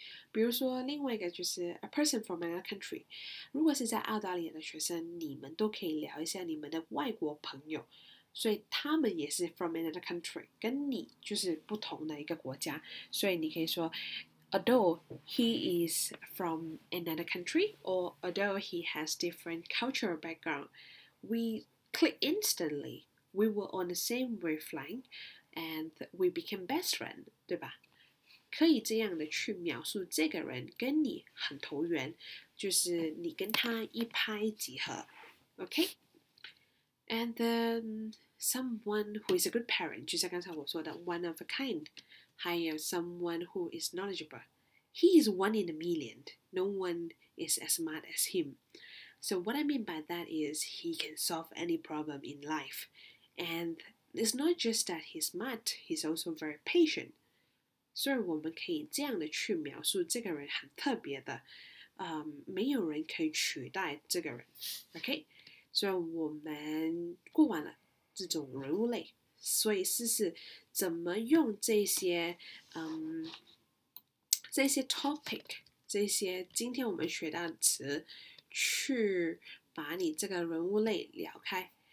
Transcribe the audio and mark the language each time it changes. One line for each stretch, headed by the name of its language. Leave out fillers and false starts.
Chinese: 比如说另外一个就是
English: a person from another country，
Chinese: 如果是在澳大利亚的学生，你们都可以聊一下你们的外国朋友，所以他们也是
English: from another country，
Chinese: 跟你就是不同的一个国家，所以你可以说。
English: Although he is from another country, or although he has different cultural background, we click instantly. We were on the same wavelength, and we became best friend,
Chinese: 对吧？
English: 可以这样的去描述这个人跟你很投缘，就是你跟他一拍即合。Okay? And then someone who is a good parent,
Chinese: 就像刚才我说的
English: one of a kind,
Chinese: 还有
English: someone who is knowledgeable. He is one in a million. No one is as smart as him. So what I mean by that is he can solve any problem in life. And it's not just that he's smart, he's also very patient.
Chinese: 所以我们可以这样的去描述这个人很特别的、没有人可以取代这个人。
English: OK?
Chinese: 所以我们过完了这种人物类，所以试试怎么用这些、这些 topic, 这些今天我们学到的词去把你这个人物类聊开。